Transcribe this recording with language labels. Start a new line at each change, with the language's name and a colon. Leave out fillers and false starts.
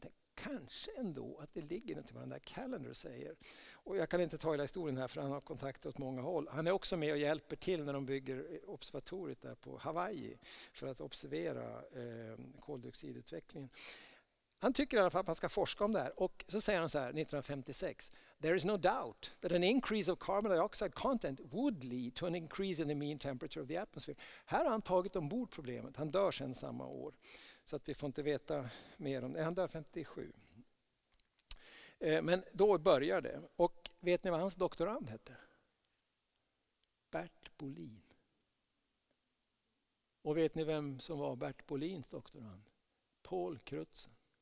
Swedish: Tänk, kanske ändå att det ligger något i vad den där Callender säger. Och jag kan inte ta hela historien här, för han har kontakter åt många håll. Han är också med och hjälper till när de bygger observatoriet där på Hawaii för att observera koldioxidutvecklingen. Han tycker i alla fall att man ska forska om det här. Och så säger han så här 1956.
English: There is no doubt that an increase of carbon dioxide content would lead to an increase in the mean temperature of the atmosphere.
Swedish: Här har han tagit ombord problemet. Han dör sedan samma år. Så att vi får inte veta mer om det. Han dör 57. Men då börjar det. Och vet ni vad hans doktorand hette? Bert Bolin. Och vet ni vem som var Bert Bolins doktorand? Paul Crutzen.